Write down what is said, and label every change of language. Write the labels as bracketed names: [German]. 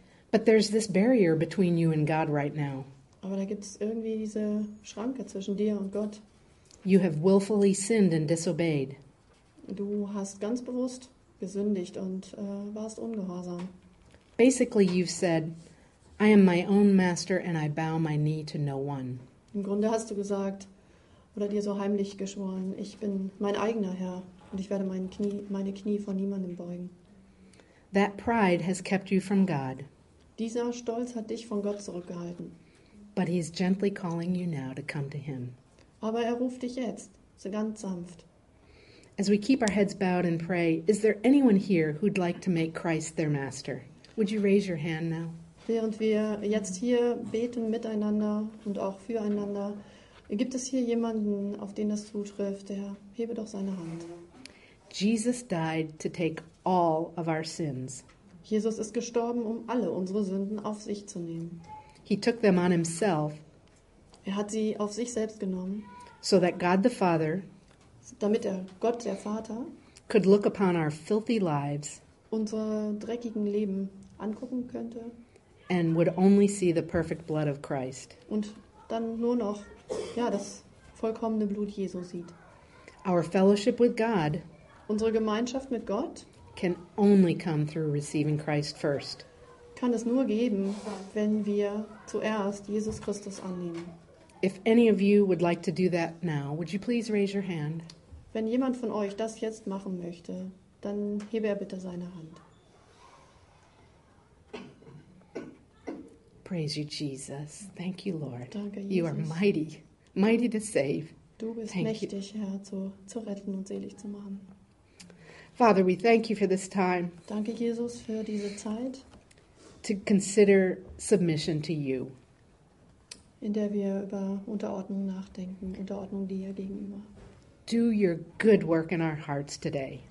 [English] But there's this barrier between you and God right now. [German] Aber da gibt es irgendwie diese Schranke zwischen dir und Gott. [English] You have willfully sinned and disobeyed. [German] Du hast ganz bewusst gesündigt und warst ungehorsam. [English] Basically you've said, I am my own master and I bow my knee to no one. [German] Im Grunde hast du gesagt oder dir so heimlich geschworen, ich bin mein eigener Herr und ich werde meine Knie vor niemandem beugen. [English] That pride has kept you from God. [German] Dieser Stolz hat dich von Gott zurückgehalten. [English] But he is gently calling you now to come to him. [German] Aber ruft dich jetzt, so ganz sanft. [English] As we keep our heads bowed and pray, is there anyone here who'd like to make Christ their master? Would you raise your hand now? [German] Während wir jetzt hier beten miteinander und auch füreinander, gibt es hier jemanden, auf den das zutrifft, der hebe doch seine Hand. [English] Jesus died to take all of our sins. [German] Jesus ist gestorben, um alle unsere Sünden auf sich zu nehmen. [English] He took them on himself. [German] Er hat sie auf sich selbst genommen. [English] So that God the Father, [German] damit er, Gott der Vater, [English] could look upon our filthy lives, [German] unsere dreckigen Leben angucken könnte, [English] and would only see the perfect blood of Christ. [German] Und dann nur noch, ja, das vollkommene Blut Jesu sieht. [English] Our fellowship with God, [German] unsere Gemeinschaft mit Gott, [English] can only come through receiving Christ first. [German] Kann es nur geben, wenn wir zuerst Jesus Christus annehmen. [English] If any of you would like to do that now, would you please raise your hand? [German] Wenn jemand von euch das jetzt machen möchte, dann hebe er bitte seine Hand. [English] Praise you, Jesus. Thank you, Lord. [German] Danke, Jesus. [English] You are mighty, mighty to save. [German] Du bist [English] thank [German] mächtig, [English] you. [German] Herr, zu retten und selig zu machen. [English] Father, we thank you for this time. [German] Danke, Jesus, für diese Zeit. [English] To consider submission to you. [German] In der wir über Unterordnung nachdenken, Unterordnung dir gegenüber. [English] Do your good work in our hearts today.